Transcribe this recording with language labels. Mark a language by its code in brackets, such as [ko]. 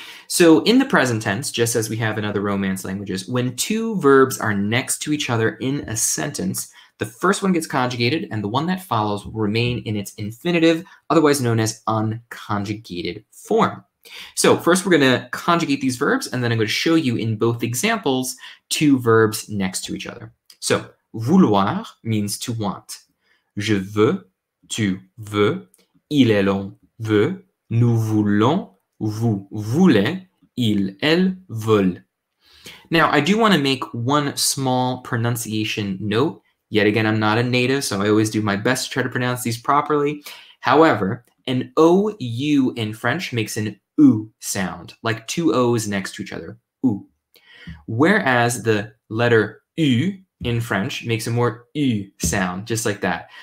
[en] So in the present tense, just as we have in other Romance languages, when two verbs are next to each other in a sentence, the first one gets conjugated and the one that follows will remain in its infinitive, otherwise known as unconjugated form. So first we're going to conjugate these verbs and then I'm going to show you in both examples two verbs next to each other. So vouloir means to want. [fr] Je veux, tu veux, il, elle, on veut, nous voulons, vous voulez, il, elle, veulent. [en] Now, I do want to make one small pronunciation note. Yet again, I'm not a native, so I always do my best to try to pronounce these properly. However, an OU in French makes an OU sound, like two O's next to each other, OU. Whereas the letter U in French makes a more U sound, just like that.